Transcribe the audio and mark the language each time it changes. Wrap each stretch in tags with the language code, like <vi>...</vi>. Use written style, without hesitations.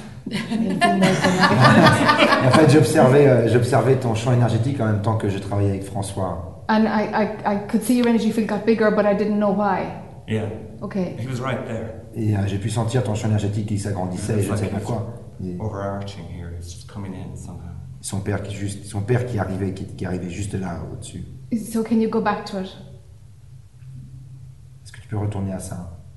<fr>En fait, j'observais ton champ énergétique en même temps que je travaillais avec François.</fr> <en>And I could see your energy field got bigger, but I didn't know why. Yeah. Okay. He was right there.</en> <fr>Et j'ai pu sentir ton champ énergétique qui s'agrandissait. Je ne sais pas quoi.</fr> <en>Overarching here, it's just coming in somehow.</en> <fr>Son père qui arrivait juste là au-dessus.</fr> <en>So can you go back to it?</en> <fr>Est-ce que tu peux retourner à ça?</fr>